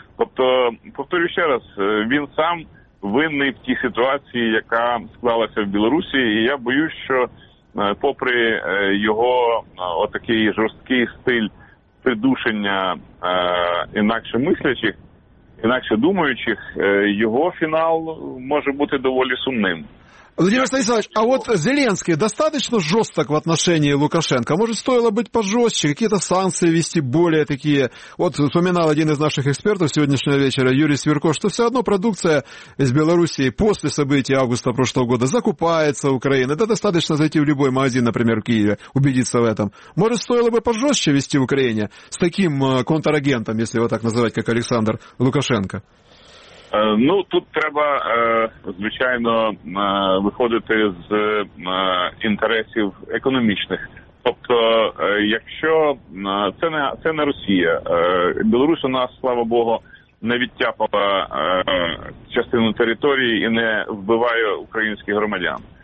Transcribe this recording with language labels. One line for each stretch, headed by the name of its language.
Ukrainian: Тобто, повторюю ще раз, він сам винний в тій ситуації, яка склалася в Білорусі, і я боюсь, що попри його отакий жорсткий стиль придушення інакше мислячих, інакше думаючих, його фінал може бути доволі сумним.
Russian: Владимир Станиславович, а Зеленский достаточно жесток в отношении Лукашенко? Может, стоило быть пожестче, какие-то санкции ввести более такие? Вспоминал один из наших экспертов сегодняшнего вечера, Юрий Свирко, что все одно продукция из Белоруссии после событий августа прошлого года закупается Украиной. Да достаточно зайти в любой магазин, например, в Киеве, убедиться в этом. Может, стоило бы пожестче ввести Украине с таким контрагентом, если его так называть, как Александр Лукашенко?
Ukrainian: Тут треба, звичайно, виходити з інтересів економічних. Тобто, якщо це не Росія, Білорусь у нас, слава Богу, не відтяпала частину території і не вбиває українських громадян.